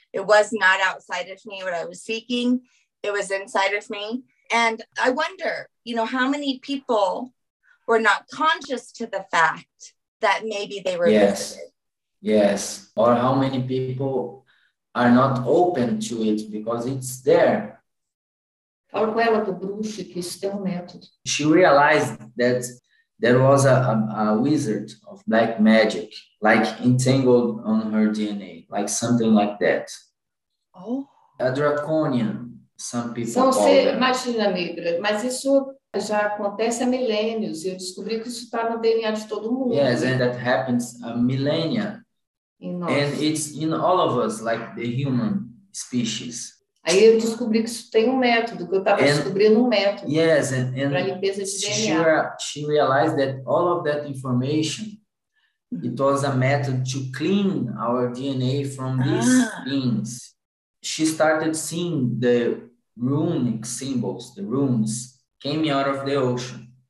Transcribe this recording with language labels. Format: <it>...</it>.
<en>It was not outside of me what I was seeking. It was inside of me. And I wonder, you know, how many people were not conscious to the fact that maybe they were visited. Yes. Or how many people are not open to it because it's there.</en> <pt>Fala com ela do bruxo que isso tem um método.</pt> <en>She realized that there was a wizard of black magic, like entangled on her DNA, like something like that. Oh. A draconian, some people</en> <pt>são</pt> <en>call ser, them.</en> <pt>Imagina, negra, mas isso já acontece há milênios, e eu descobri que isso está no DNA de todo mundo.</pt> <en>Yes, and that happens a millennia.</en> <pt>em nós.</pt> <en>And it's in all of us, like the human species.</en> <pt>Aí eu descobri que isso tem um método, que eu estava descobrindo um método.</pt> <en>Yes,</en> <pt>para limpeza de DNA.</pt> <en>She realized that all of that information, it was a method to clean our DNA from these things. She started seeing the runic symbols, the runes, came out of the ocean.</en>